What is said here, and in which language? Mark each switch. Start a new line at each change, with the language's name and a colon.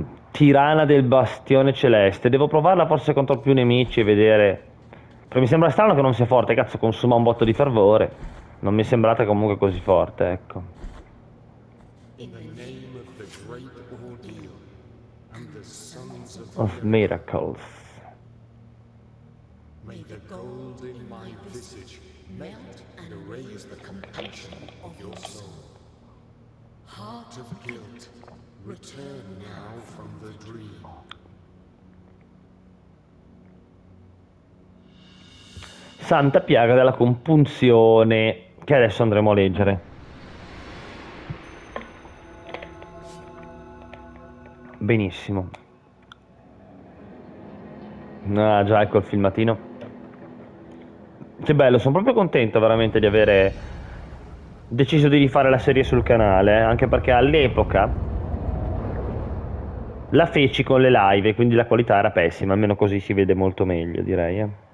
Italian: Tirana del bastione celeste. Devo provarla forse contro più nemici e vedere. Però mi sembra strano che non sia forte, cazzo, consuma un botto di fervore. Non mi è sembrata comunque così forte,
English: In the name of the great ordeal and the sons of
Italian: ecco. Of
English: the earth, miracles. may the gold in my visage melt and erase the compunction of your soul. Heart of guilt, return now from the dream.
Italian: Santa piaga della compunzione. Che adesso andremo a leggere. Benissimo. Ah, già, ecco il filmatino. Che bello, sono proprio contento veramente di avere deciso di rifare la serie sul canale, anche perché all'epoca la feci con le live, quindi la qualità era pessima, almeno così si vede molto meglio, direi.